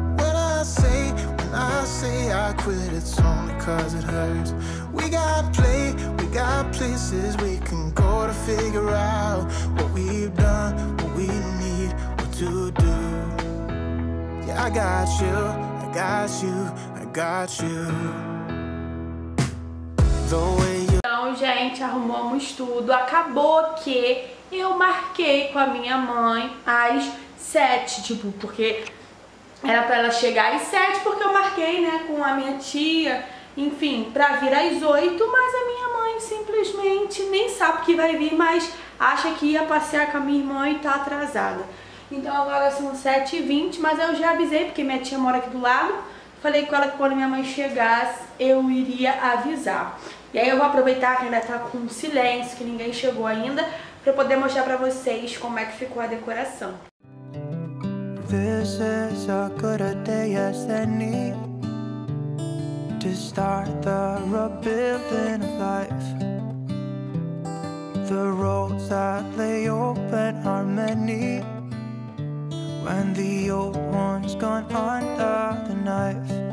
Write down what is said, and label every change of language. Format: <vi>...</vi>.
<en>What I say, I say I quit, it's only cause it hurts. We got places we can go to figure out what we've done, what we need, what to do. Yeah, I got you, I got you, I got you. The way you...</en> <pt>Então, gente, arrumamos tudo. Acabou que eu marquei com a minha mãe às 7, tipo, porque... Era pra ela chegar às 7, porque eu marquei, né, com a minha tia, enfim, pra vir às 8, mas a minha mãe simplesmente nem sabe que vai vir, mas acha que ia passear com a minha irmã e tá atrasada. Então agora são 7h20, mas eu já avisei, porque minha tia mora aqui do lado, falei com ela que quando minha mãe chegasse, eu iria avisar. E aí eu vou aproveitar que ainda tá com silêncio, que ninguém chegou ainda, pra eu poder mostrar pra vocês como é que ficou a decoração.</pt> <en>This is a good a day as any to start the rebuilding of life. The roads that lay open are many when the old one's gone under the knife.</en>